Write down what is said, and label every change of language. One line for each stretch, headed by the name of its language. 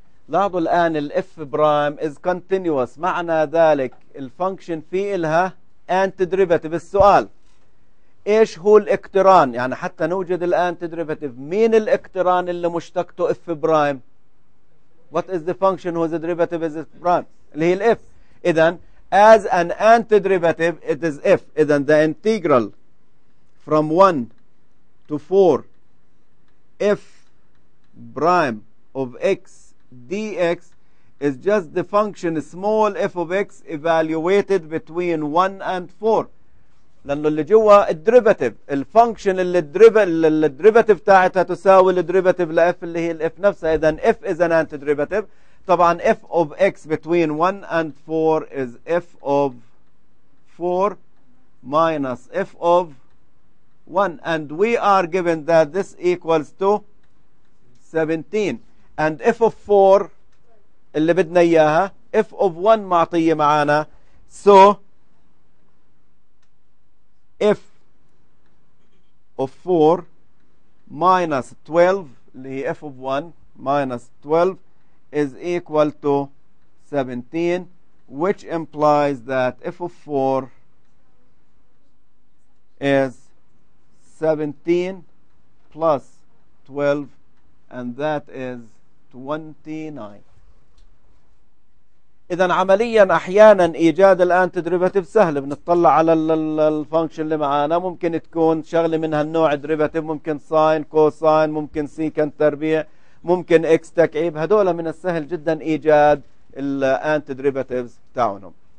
Arabic: لاحظوا الآن ال
English: f prime is continuous،
Arabic: معنى ذلك الفانكشن في إلها antiderivative. السؤال إيش هو الاقتران؟ يعني حتى نوجد ال antiderivative، مين الاقتران اللي مشتقته f prime؟
English: What is the function whose derivative is f prime؟
Arabic: اللي هي ال f.
English: إذن as an antiderivative it is f. إذن the integral from 1 to 4 f prime of x dx is just the function small f of x evaluated between 1 and 4.
Arabic: لانه اللي جوا الدريفاتيف، الفانكشن اللي الدريفاتيف تاعتها تساوي الدريفاتيف لاف اللي هي الاف نفسها.
English: اذا f is an antiderivative. طبعا f of x between 1 and 4 is f of 4 minus f of 1. And we are given that this equals to 17. And f of 4
Arabic: اللي بدنا اياها،
English: f of 1
Arabic: معطيه معانا.
English: So f of 4 minus 12
Arabic: اللي هي
English: f of 1 minus 12 is equal to 17, which implies that f of 4 is 17 plus 12. And that is 29.
Arabic: إذا عمليا أحيانا إيجاد الأنتي دريفاتيف سهل، بنطلع على الفانكشن اللي معانا، ممكن تكون شغلة من هالنوع دريفاتيف، ممكن ساين كوساين، ممكن سيكنت تربيع، ممكن إكس تكعيب، هذول من السهل جدا إيجاد الأنتي دريفاتيف تاعهم.